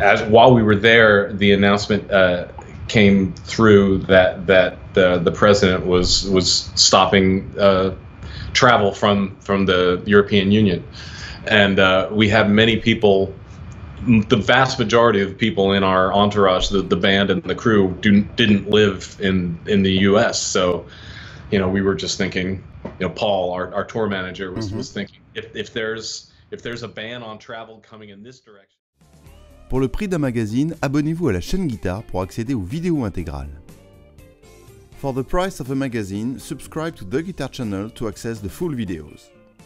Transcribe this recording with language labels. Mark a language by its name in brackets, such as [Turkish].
[English] while we were there, the announcement came through that the president was stopping travel from the European Union, and we have many people, the vast majority of people in our entourage, the band and the crew, didn't live in the U.S. So, you know, we were just thinking, you know, Paul, our tour manager, was, mm-hmm. was thinking if there's a ban on travel coming in this direction. [French] Pour le prix d'un magazine, abonnez-vous à la chaîne Guitare pour accéder aux vidéos intégrales. [English] For the price of a magazine, subscribe to the Guitar Channel to access the full videos.